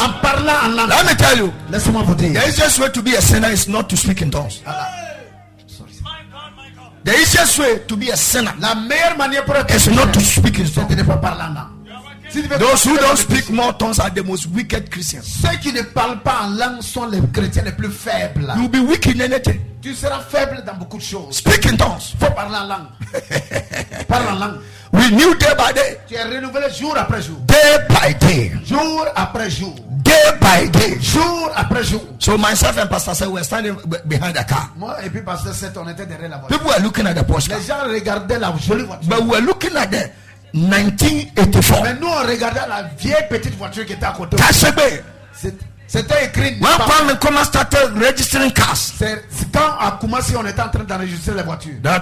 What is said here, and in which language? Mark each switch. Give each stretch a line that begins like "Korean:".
French: En parlant en langue.
English: Let me tell you.
French: Laisse-moi vous dire.
English: The easiest way to be a sinner is not to speak in tongues. Sorry. The easiest way to be a sinner.
French: La meilleure manière pour être
English: is not to speak in tongues.
French: C'est de ne pas parler en langue.
English: Those who don't speak more tongues are the most wicked Christians.
French: Ceux qui ne parlent pas en langue sont les chrétiens les plus faibles.
English: You'll be weak in anything.
French: Tu seras faible dans beaucoup de choses.
English: Speak in tongues.
French: Faut parler en langue. Parle en langue.
English: Renew day by day.
French: Tu es renouvelé jour après jour.
English: Day by day.
French: Jour après jour.
English: Day by day.
French: Jour après jour.
English: So myself and Pastor said, we were standing behind the car.
French: Moi et puis Pastor said, on était derrière la voiture.
English: People were looking at the Porsche.
French: Les gens regardaient la jolie voiture.
English: But we were looking at the 1984.
French: Mais nous on regardait la vieille petite voiture qui était à côté. Tachebe. C'était écrit.
English: When we started registering cars.
French: C'est quand à Kumasi on était en train d'enregistrer les voitures.